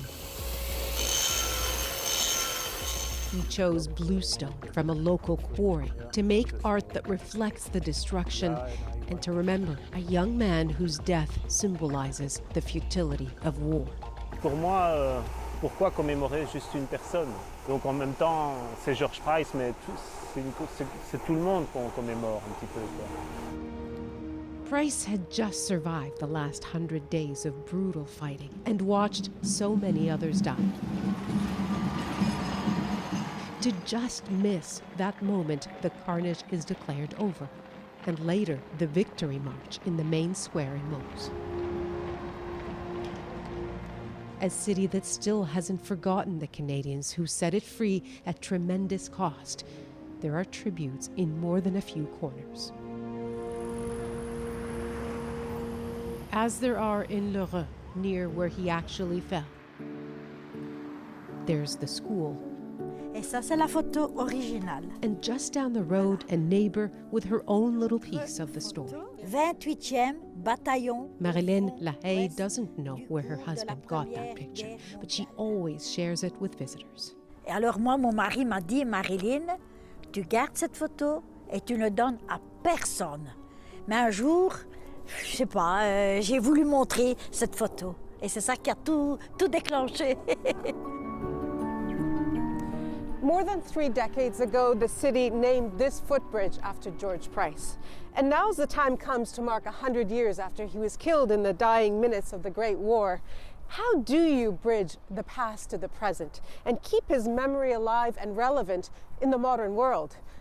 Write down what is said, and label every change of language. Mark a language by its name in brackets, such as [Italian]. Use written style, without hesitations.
[English] He chose bluestone from a local quarry to make art that reflects the destruction and to remember a young man whose death symbolizes the futility of war. For me, [French] pourquoi commémorer juste une personne? Donc en même temps, c'est George Price, mais c'est tout le monde qu'on commémore un petit peu. Quoi. [English] Price had just survived the last 100 days of brutal fighting and watched so many others die. To just miss that moment the carnage is declared over, and later the victory march in the main square in Mons. A city that still hasn't forgotten the Canadians who set it free at tremendous cost. There are tributes in more than a few corners. As there are in Lheureux, near where he actually fell. There's the school. [French] Et ça, c'est la photo originale. [English] And just down the road, a neighbor with her own little piece of the story. [French] 28e bataillon. [English] Marilyn Lahaye doesn't know where her husband got that picture, but she always shares it with visitors. [French] Et alors moi, mon mari m'a dit, Marilyn, tu gardes cette photo et tu ne donnes à personne. Mais un jour, je sais pas, j'ai voulu montrer cette photo. Et c'est ça qui a tout déclenché. [English] More than three decades ago, the city named this footbridge after George Price. And now as the time comes to mark 100 years after he was killed in the dying minutes of the Great War. How do you bridge the past to the present and keep his memory alive and relevant in the modern world?